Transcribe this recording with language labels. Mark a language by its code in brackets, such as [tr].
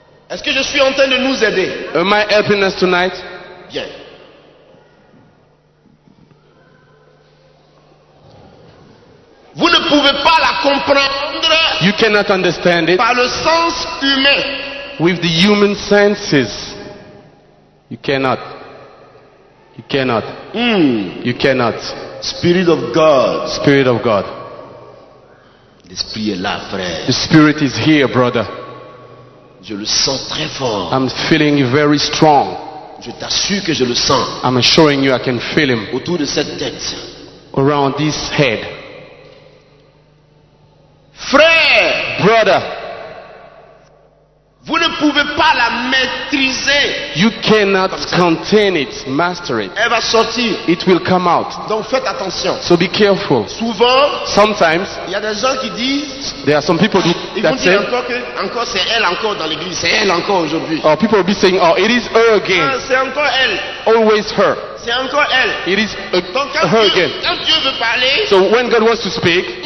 [fr] Est-ce que je suis en train de nous aider? [en] Am I helping us tonight? [fr] Bien. Vous ne pouvez pas la comprendre. [en] You cannot understand it. [fr] Par le sens humain. [en] With the human senses. You cannot. You cannot. Mm. You cannot. Spirit of God. Spirit of God. [fr] L'esprit est là, frère. [en] The spirit is here, brother. [fr] Je le sens très fort. [en] I'm feeling you very strong. [fr] Je t'assure que je le sens. [en] I'm assuring you I can feel him. [fr] Autour de cette tête. [en] Around this head. [fr] Frère, [en] brother, [fr] vous ne pouvez pas la maîtriser. [en] You cannot contain it, master it. [fr] Elle va sortir. [en] It will come out. [fr] Donc faites attention. [en] So be careful. [fr] Souvent, [en] sometimes, [fr] il y a des gens qui disent, [en] there are some people who, that say, [fr] encore, que, encore c'est elle encore dans l'église, c'est elle encore aujourd'hui. [en] Or people will be saying, oh, it is her again. [fr] Ah, c'est encore elle. [en] Always her. [fr] C'est encore elle. [en] It is her again. [fr] Quand Dieu veut parler, [en] so when God wants to speak.